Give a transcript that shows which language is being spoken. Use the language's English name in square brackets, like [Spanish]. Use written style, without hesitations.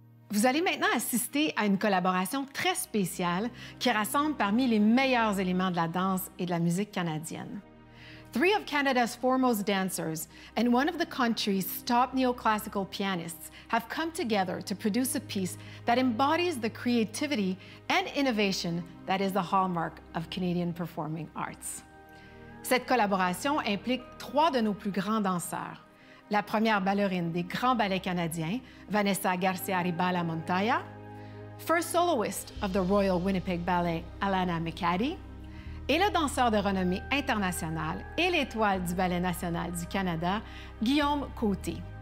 [French] Vous allez maintenant assister à une collaboration très spéciale qui rassemble parmi les meilleurs éléments de la danse et de la musique canadienne. [English] Three of Canada's foremost dancers and one of the country's top neoclassical pianists have come together to produce a piece that embodies the creativity and innovation that is the hallmark of Canadian performing arts. [French] Cette collaboration implique trois de nos plus grands danseurs. La première ballerine des grands ballets canadiens, Vanessa Garcia-Ribala Montoya, [English] first soloist of the Royal Winnipeg Ballet, [French] Alana McCaddy, et le danseur de renommée internationale et l'étoile du Ballet national du Canada, Guillaume Côté.